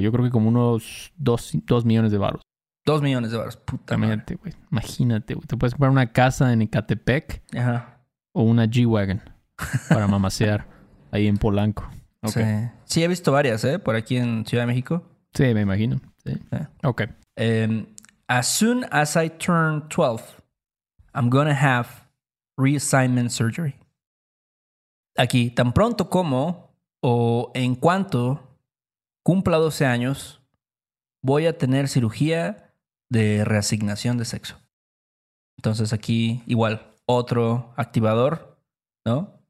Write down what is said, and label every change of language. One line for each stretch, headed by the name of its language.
Spanish: Yo creo que como unos dos millones de baros. Dos millones de baros, puta madre. Imagínate, güey. Te puedes comprar una casa en Ecatepec. Ajá. O una G-Wagon para mamasear ahí en Polanco. Okay. Sí. Sí, he visto varias, ¿eh? Por aquí en Ciudad de México. Sí, me imagino. Sí. Ok.
English: As soon as I turn 12, I'm gonna have reassignment surgery.
Spanish: Aquí, tan pronto como o en cuanto cumpla 12 años, voy a tener cirugía de reasignación de sexo. Entonces aquí, igual, otro activador, ¿no?